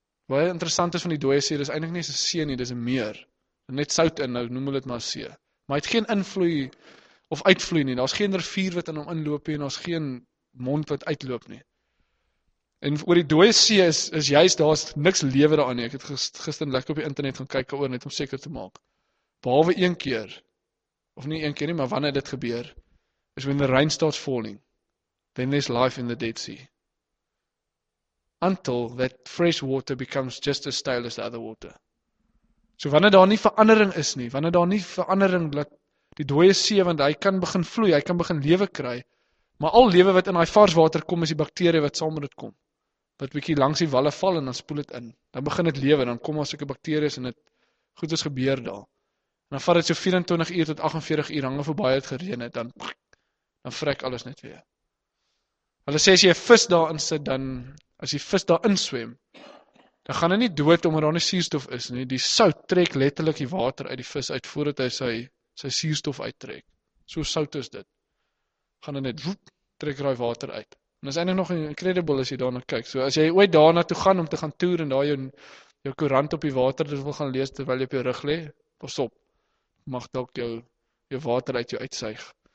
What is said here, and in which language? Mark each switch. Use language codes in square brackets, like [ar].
[af] Baie interessant is van die dooie see, dis eintlik nie 'n see nie, dis 'n meer. Net sout in, nou noem hulle dit maar see. Maar hy het geen invloei of uitvloei nie. Daar's geen rivier wat in hom inloop nie en daar's geen mond wat uitloop nie. En oor die dooie see is juist daar's niks lewe daarin nie. Ek het gister lekker op die internet gaan kyk oor net om seker te maak. Behalwe een keer. Of nie een keer nie, maar wanneer dit gebeur is [en] when the rain starts falling. Then there's life in the Dead Sea. Until that fresh water becomes just as stale as the other water. [af] So wanneer daar nie verandering is nie, wanneer daar nie verandering dat die dooie see want hy kan begin vloei, hy kan begin lewe kry. Maar al lewe wat in daai vars water kom is die bakterieë wat saam met dit kom. Wat bietjie langs die walle val en dan spoel dit in. Dan begin dit lewe, dan kom daar sulke bakteriees en dit goed is gebeur daar. En dan vat dit so 24 uur tot 48 uur hang af hoe baie het gereën het, dan vrek alles net weer. Hulle sê as jy 'n vis daarin sit dan as die vis daarin swem, dan gaan hy nie dood omdat daar nie suurstof is nie. Die sout trek letterlik die water uit die vis uit voordat hy sy suurstof uittrek. So sout is dit. Gaan hy net woep, trek raai water uit. En is eintlik nog incredible as jy daarna kyk. So as jy ooit daarna toe gaan om te gaan toer en daar jou koerant op die water dit wil gaan lees terwyl jy op jou rug lê, pas op. Mag dalk jou water uit jou uitsuig.